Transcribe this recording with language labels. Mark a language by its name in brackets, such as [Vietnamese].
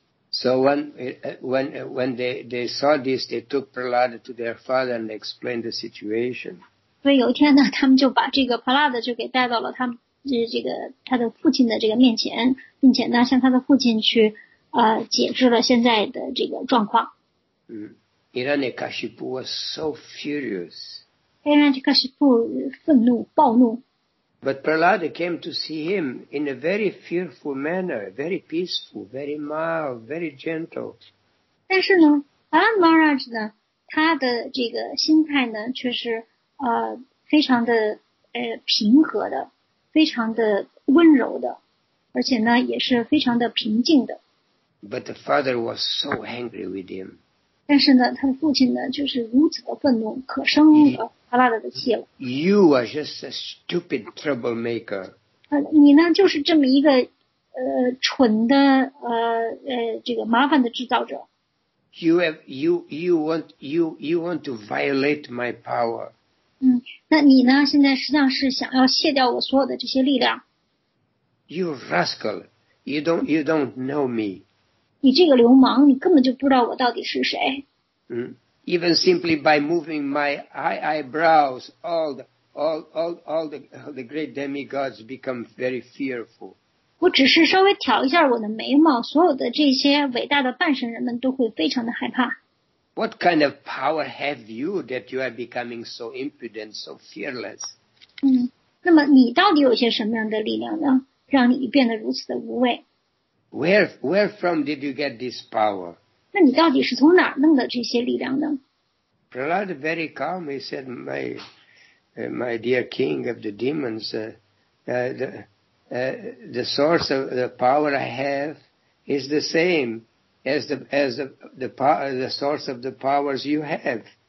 [English] So when they saw this, they took Prahlad to their father and explained the situation. [Chinese] 所以有一天呢，他们就把这个 Prahlad 就给带到了他们他的父亲的这个面前，并且呢向他的父亲去解释了现在的这个状况。 [English] Hiranyakashipu was so furious. [Chinese] Hiranyakashipu 愤怒暴怒。 [English] But Prahlada came to see him in a very fearful manner, very peaceful, very mild, very gentle. [Chinese] 但是呢 Prahlada Maharaj 呢他的这个心态呢却是非常的平和的，非常的温柔的，而且呢也是非常的平静的。 [English] But the father was so angry with him. [Chinese] 但是呢他的父亲呢就是如此的愤怒，可生了巴拉达的气了。 [English] You are just a stupid troublemaker. [Chinese] 你呢就是这么一个蠢的这个麻烦的制造者。 [English] You want to violate my power. [Chinese] 那你呢现在实际上是想要卸掉我所有的这些力量。 [English] You rascal, you don't know me. [Chinese] 你这个流氓，你根本就不知道我到底是谁。 [English] Even simply by moving my eyebrows, all the great demigods become very fearful. [Chinese] 我只是稍微挑一下我的眉毛，所有的这些伟大的半神人们都会非常的害怕。 [English] What kind of power have you that you are becoming so impudent, so fearless? [Chinese] 那么你到底有些什么样的力量呢？让你变得如此的无畏。 [English] Where from did you get this power? [Chinese] 那你到底是从哪弄的这些力量呢？ [English] Prahlada very calm, he said, my dear king of the demons, the source of the power I have is the same as the source of the powers you have.